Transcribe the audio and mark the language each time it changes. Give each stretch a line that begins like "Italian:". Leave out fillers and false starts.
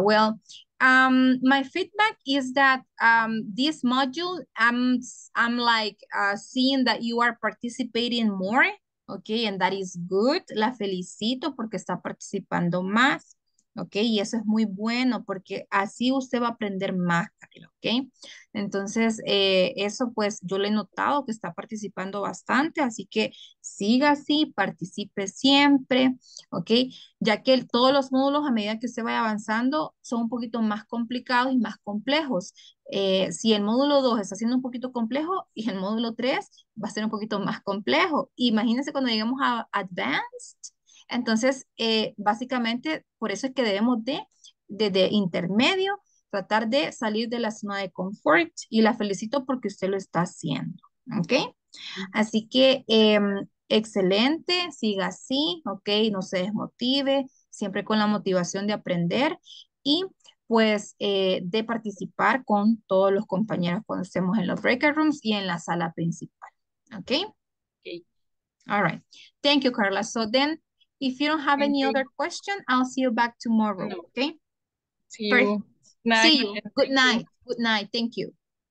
English: Well, my feedback is that this module, I'm like seeing that you are participating more, okay? And that is good.
Spanish: La felicito porque está participando más, okay? Y eso es muy bueno porque así usted va a aprender más, Carla, okay? Entonces, eso pues yo le he notado que está participando bastante, así que siga así, participe siempre, ¿ok? Ya que todos los módulos a medida que usted vaya avanzando son un poquito más complicados y más complejos. Si el módulo 2 está siendo un poquito complejo y el módulo 3 va a ser un poquito más complejo. Imagínense cuando lleguemos a Advanced, entonces básicamente por eso es que debemos de intermedio tratar de salir de la zona de confort y la felicito porque usted lo está haciendo, ¿ok? Así que, excelente, siga así, ¿ok? No se desmotive, siempre con la motivación de aprender y pues de participar con todos los compañeros cuando estemos en los breakout rooms y en la sala principal, ¿ok? Ok.
English: All right. Thank you, Carla. So then, if you don't have any other question, I'll see you back tomorrow, ¿ok? See you. Night. See you. Good night. Good night. Thank you.